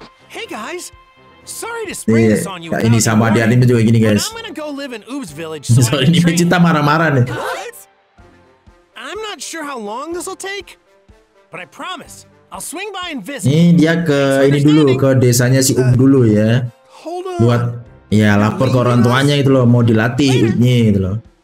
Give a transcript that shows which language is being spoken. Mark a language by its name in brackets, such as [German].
[English] Hey guys, sorry to spring this on you. [Indonesian] Ini sama di anime juga gini guys. Soalnya ini Vegeta marah-marah nih. [English] I'm not sure how long this will take, but I promise I'll swing by and visit. [Indonesian] Nih dia ke ini dulu, ke desanya si Ub dulu ya. Buat ya lapor ke orang tuanya itu loh, mau dilatih Ubnya itu loh.